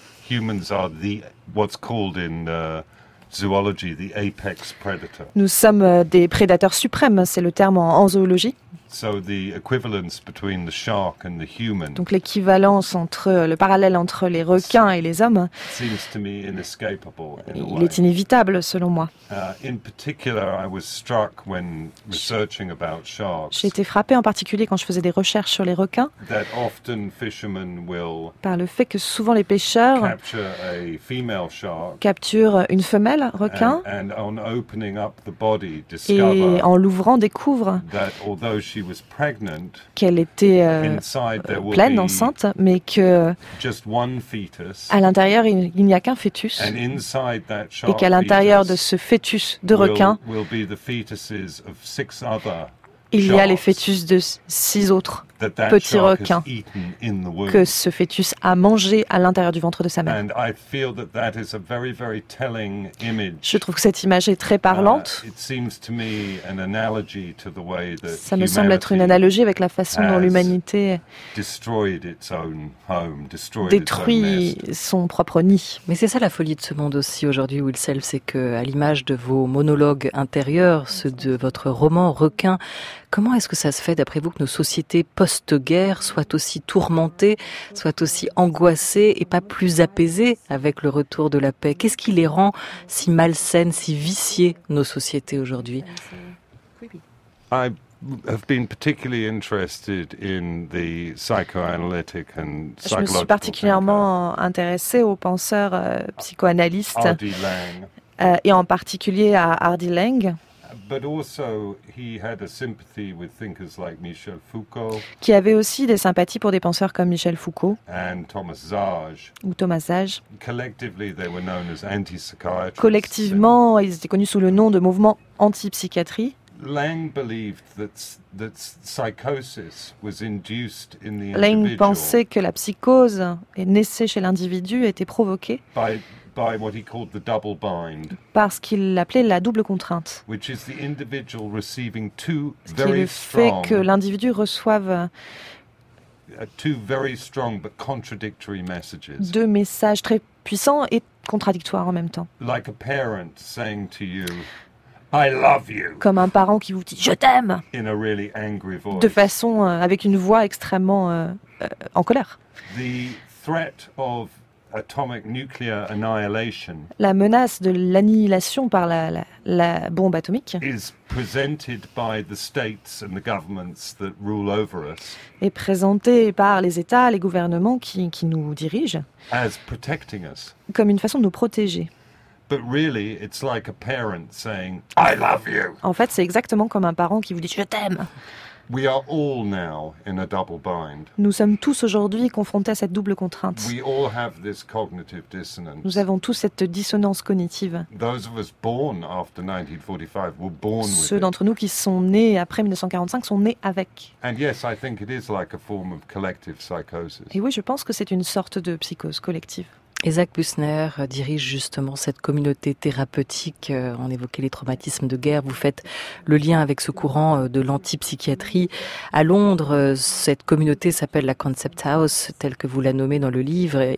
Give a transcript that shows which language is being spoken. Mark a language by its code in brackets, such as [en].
[en] Humans are the what's called in zoology the apex predator. [fr] Nous sommes des prédateurs suprêmes, c'est le terme en zoologie. [en] So the equivalence between the shark and the human. [fr] Donc l'équivalence entre le parallèle entre les requins et les hommes. [en] Seems to me inescapable in a way. [fr] Il est inévitable selon moi. [en] In particular, I was struck when researching about sharks. [fr] J'ai été frappé en particulier quand je faisais des recherches sur les requins. [en] That often fishermen will. [fr] Par le fait que souvent les pêcheurs. [en] Capture a female shark. [fr] Capturent une femelle requin. [en] And on opening up the body, discover. [fr] Et en l'ouvrant, découvrent. [en] That although she was pregnant, [fr] qu'elle était pleine, enceinte, mais que [en] just one fetus, [fr] à l'intérieur, il n'y a qu'un fœtus, [en] and inside that shark [fr] et qu'à l'intérieur de ce fœtus de requin, [en] will be the fetuses of six other [fr] il y a les fœtus de 6 autres [en] that [fr] petits requins que ce fœtus a mangé à l'intérieur du ventre de sa mère. [en] And I feel that that is a very, very telling image. [fr] Je trouve que cette image est très parlante. [en] It seems to me an analogy to the way that [fr] ça me semble être une analogie avec la façon dont l'humanité [en] destroyed its own home, destroyed [fr] détruit [en] its own nest. [fr] Son propre nid. Mais c'est ça la folie de ce monde aussi aujourd'hui, Will Self, c'est qu'à l'image de vos monologues intérieurs, ceux de votre roman Requin, comment est-ce que ça se fait, d'après vous, que nos sociétés post-guerre soient aussi tourmentées, soient aussi angoissées et pas plus apaisées avec le retour de la paix? Qu'est-ce qui les rend si malsaines, si viciées, nos sociétés aujourd'hui? [en] I have been particularly interested in the psychoanalytic and psychological thinker. [fr] Je me suis particulièrement intéressée aux penseurs psychoanalystes, et en particulier à Ardy Lang. [en] But also he had a sympathy with thinkers like Michel Foucault. [fr] Qui avait aussi des sympathies pour des penseurs comme Michel Foucault. [en] And Thomas Zage. [fr] Ou Thomas Zage. [en] Collectively they were known as anti-psychiatrists. [fr] Collectivement, ils étaient connus sous le nom de mouvement anti-psychiatrie. [en] Lang believed that psychosis was induced in the individual. [fr] Lang pensait que la psychose est née chez l'individu était provoquée. [en] By by what he called the double bind. [fr] Parce qu'il l'appelait la double contrainte. [en] Which is the individual receiving two very strong. [fr] Ce qui est le fait que l'individu reçoive [en] two very strong but contradictory messages. [fr] Deux messages très puissants et contradictoires en même temps. [en] Like a parent saying to you, I love you. [fr] Comme un parent qui vous dit je t'aime. [en] In a really angry voice. [fr] De façon avec une voix extrêmement en colère. [en] The threat of atomic nuclear annihilation. [fr] La menace de l'annihilation par la bombe atomique [en] is presented by the states and the governments that rule over us. [fr] Est présentée par les États, les gouvernements qui nous dirigent. [en] As protecting us. [fr] Comme une façon de nous protéger. [en] But really, it's like a parent saying, "I love you." [fr] En fait, c'est exactement comme un parent qui vous dit, "Je t'aime." [en] We are all now in a double bind. [fr] Nous sommes tous aujourd'hui confrontés à cette double contrainte. [en] We all have this cognitive dissonance. [fr] Nous avons tous cette dissonance cognitive. [en] Those of us born after 1945 were born with it. [fr] Ceux d'entre nous qui sont nés après 1945 sont nés avec. [en] And yes, I think it is like a form of collective psychosis. [fr] Et oui, je pense que c'est une sorte de psychose collective. Isaac Büsner dirige justement cette communauté thérapeutique. On évoquait les traumatismes de guerre. Vous faites le lien avec ce courant de l'antipsychiatrie. À Londres, cette communauté s'appelle la Concept House, telle que vous la nommez dans le livre.